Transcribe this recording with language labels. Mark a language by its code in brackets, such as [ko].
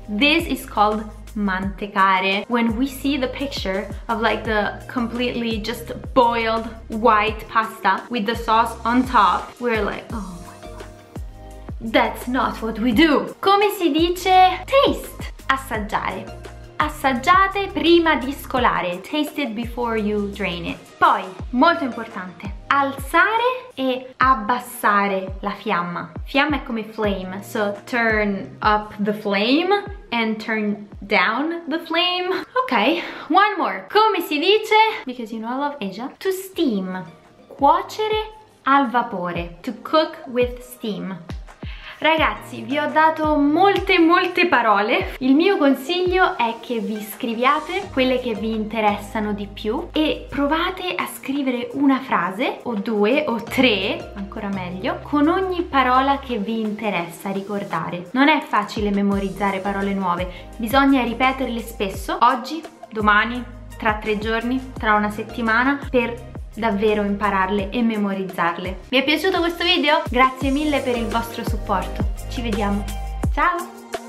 [en] This is called mantecare. When we see the picture of like the completely just boiled white pasta with the sauce on top, we're like, oh my god, that's not what we do. [it] Come si dice taste? Assaggiare. assaggiate prima di scolare. [en] Taste it before you drain it. [it] Poi, molto importante, alzare e abbassare la fiamma. Fiamma è come flame, [en] so turn up the flame and turn down the flame. Ok, one more. [it] Come si dice, [en] because you know I love Asia, to steam, [it] cuocere al vapore, [en] to cook with steam. [it] Ragazzi, vi ho dato molte molte parole. Il mio consiglio è che vi scriviate quelle che vi interessano di più e provate a scrivere una frase o due o tre, ancora meglio, con ogni parola che vi interessa ricordare. Non è facile memorizzare parole nuove, bisogna ripeterle spesso, oggi, domani, tra tre giorni, tra una settimana, per davvero impararle e memorizzarle. Vi è piaciuto questo video? Grazie mille per il vostro supporto. Ci vediamo. Ciao!